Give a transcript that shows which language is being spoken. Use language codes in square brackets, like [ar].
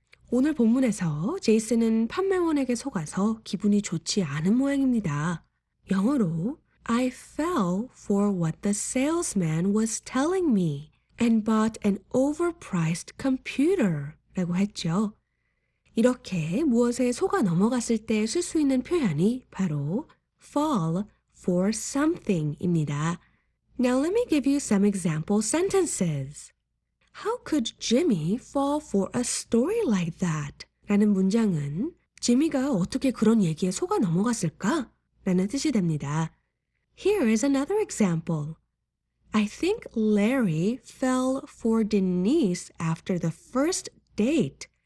[ko] 오늘 본문에서 제이슨은 판매원에게 속아서 기분이 좋지 않은 모양입니다. 영어로 [en] I fell for what the salesman was telling me and bought an overpriced computer. [ko] 라고 했죠. 이렇게 무엇에 속아 넘어갔을 때 쓸 수 있는 표현이 바로 [en] fall for something [ko] 입니다. [en] Now let me give you some example sentences. How could Jimmy fall for a story like that? [ko] 라는 문장은 지미가 어떻게 그런 얘기에 속아 넘어갔을까? 라는 뜻이 됩니다. [en] Here is another example. I think Larry fell for Denise after the first date.